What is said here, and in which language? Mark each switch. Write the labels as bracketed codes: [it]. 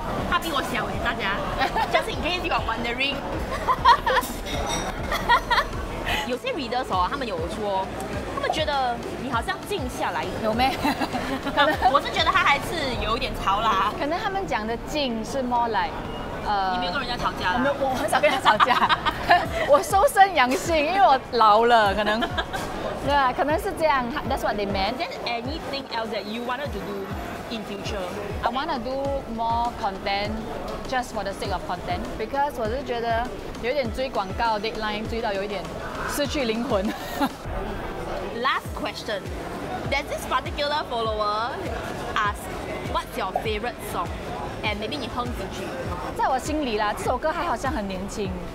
[zh] 他比我小耶，大家。 [en] Just in case you are wondering， [zh] 有些 readers 哦，他们有说，他们觉得你好像静下来。有咩？我是觉得他还是有一点吵啦。可能他们讲的静是 [en] more like， [zh] 你没有跟人家吵架啦。我很少跟他吵架， 我收声养性，因为我老了，可能。对啊，可能是这样。 [en] That's what they meant. Then anything else that you wanted to do？ In future, I wanna do more content just for the sake of content because [zh] 我是觉得有点追广告 [en] deadline [zh] 追到有一点失去灵魂。 [en] Last question, there's this particular follower asked, "What's your favorite song?" And maybe [zh] 你哼几句。在我心里啦，这首歌还好像很年轻。